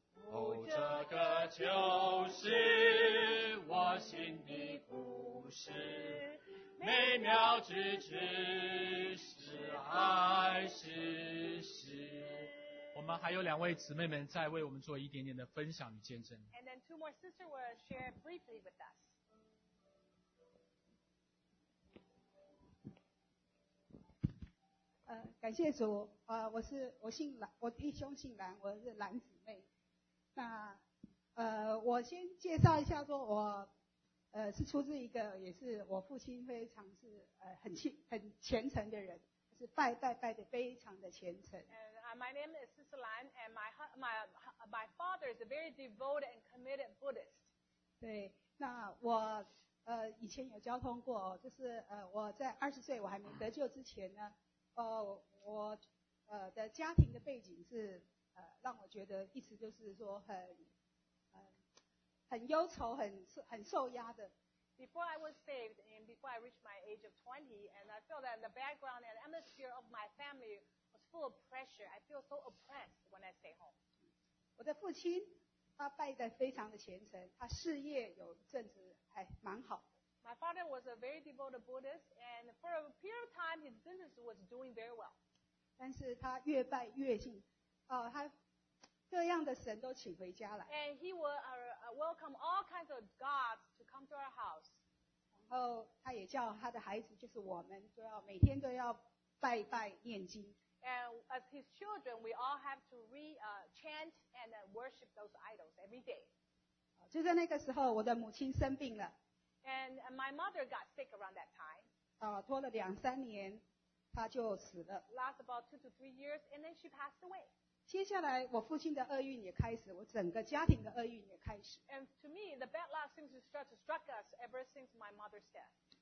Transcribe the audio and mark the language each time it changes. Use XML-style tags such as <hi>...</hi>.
<zh>哦，这个就是我心的故事，每秒之时是爱是喜。我们们还有两位姊妹们在为我们做一点点的分享与见证。</zh> <en>And then two more sisters will share briefly with us.</en> <zh>感谢主，我弟兄姓蓝，我是蓝姊妹。那我先介绍一下，说我是出自一个，也是我父亲非常是很虔诚的人，是拜的非常的虔诚。</zh> <en>My name is Sister Lan, and my father is a very devoted and committed Buddhist.</en> <zh>对，那我以前有交通过，就是我在二十岁我还没得救之前呢，我的家庭的背景是让我觉得一直就是说很忧愁，很受压的。</zh> <en>Before I was saved and before I reached my age of 20, and I felt that the background and atmosphere of my family was full of pressure. I feel so oppressed when I stay home.</en> <zh>我的父亲他拜得非常的虔诚，他事业有阵子还蛮好的。</zh> <en>My father was a very devoted Buddhist, and for a period of time, his business was doing very well.</en> <zh>但是他越拜越信，他各样的神都请回家来。</zh> <en>And he would welcome all kinds of gods to come to our house.</en> <zh>然后他也叫他的孩子，就是我们，都要每天都要拜拜念经。</zh> <en>And as his children, we all have to chant and worship those idols every day.</en> <zh>就在那个时候，我的母亲生病了。</zh> <en>And my mother got sick around that time.</en> <zh>拖了两三年，她就死了。</zh> <en>Last about 2 to 3 years, and then she passed away.</en> <zh>接下来我父亲的厄运也开始，我整个家庭的厄运也开始。</zh> <en>And to me, the bad luck seems to start to struck us ever since my mother's death.</en>